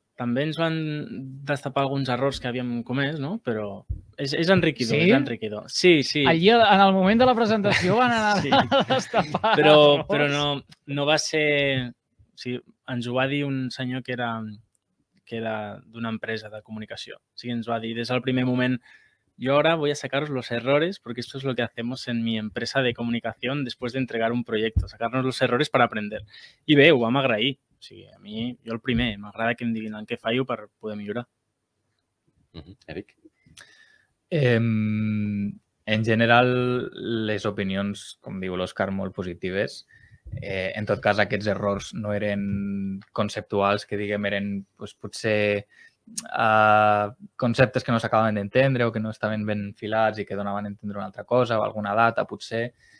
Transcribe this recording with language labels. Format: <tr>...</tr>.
<ca>També ens van destapar alguns errors que havíem comès, no? Però és enriquidor, sí? Sí, sí. Allí, en el moment de la presentació, van anar sí. A destapar. Però no va ser... O sigui, ens ho va dir un senyor que era d'una empresa de comunicació. O sigui, ens va dir des del primer moment:</ca> <es>"Yo ahora voy a sacaros los errores porque esto es lo que hacemos en mi empresa de comunicación después de entregar un proyecto, sacarnos los errores para aprender".</es> <ca>I bé, ho vam agrair. O sigui, a mi, jo el primer, m'agrada que em diguin en què fallo per poder millorar. Eric? En general, les opinions, com diu l'Òscar, molt positives. En tot cas, aquests errors no eren conceptuals, que diguem, eren pues, potser conceptes que no s'acabaven d'entendre o que no estaven ben filats i que donaven a entendre una altra cosa o alguna data, potser.</ca>